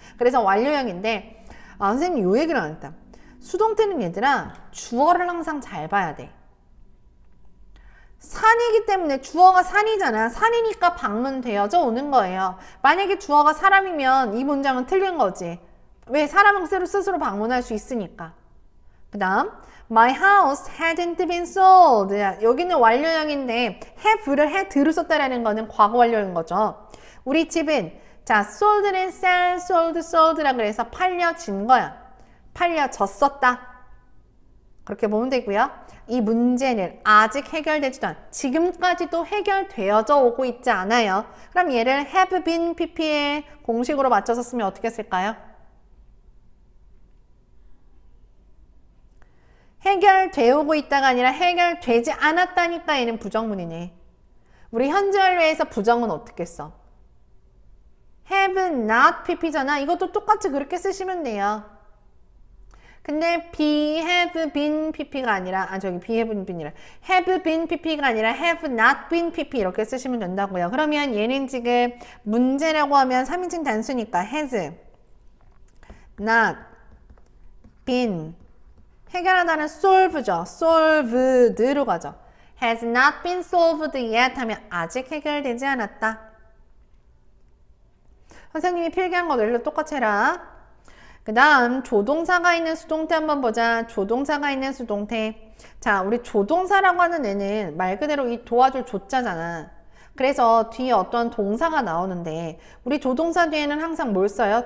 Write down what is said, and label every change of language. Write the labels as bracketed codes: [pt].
[ko] 그래서 완료형인데, 선생님 요 얘기를 안 했다. 수동태는 얘들아, 주어를 항상 잘 봐야 돼. 산이기 때문에, 주어가 산이잖아. 산이니까 방문되어져 오는 거예요. 만약에 주어가 사람이면 이 문장은 틀린 거지. 왜? 사람은 스스로 방문할 수 있으니까. 그 다음, [en] My house hadn't been sold. [ko] 여기는 완료형인데 have를 had를 썼다라는 거는 과거 완료인 거죠. 우리 집은 자 sold는 sell, sold, sold라고 해서 팔려진 거야. 팔려졌었다. 그렇게 보면 되고요. 이 문제는 아직 해결되지도 않, 지금까지도 해결되어져 오고 있지 않아요. 그럼 얘를 have been pp에 공식으로 맞춰서 쓰면 어떻게 쓸까요? 해결되고 있다가 아니라 해결되지 않았다니까 얘는 부정문이네. 우리 현재 완료에서 부정은 어떻게 써? [en] Have not pp잖아. [ko] 이것도 똑같이 그렇게 쓰시면 돼요. 근데 be have been pp가 아니라 have been pp가 아니라 [en] have not been pp [ko] 이렇게 쓰시면 된다고요. 그러면 얘는 지금 문제라고 하면 3인칭 단수니까 [en] has not been [ko] 해결하다는 solve죠. solved로 가죠. [en] has not been solved yet [ko] 하면 아직 해결되지 않았다. 선생님이 필기한 거 일로 똑같이 해라. 그 다음 조동사가 있는 수동태 한번 보자. 조동사가 있는 수동태. 자, 우리 조동사라고 하는 애는 말 그대로 이 도와줄 조자잖아. 그래서 뒤에 어떤 동사가 나오는데 우리 조동사 뒤에는 항상 뭘 써요?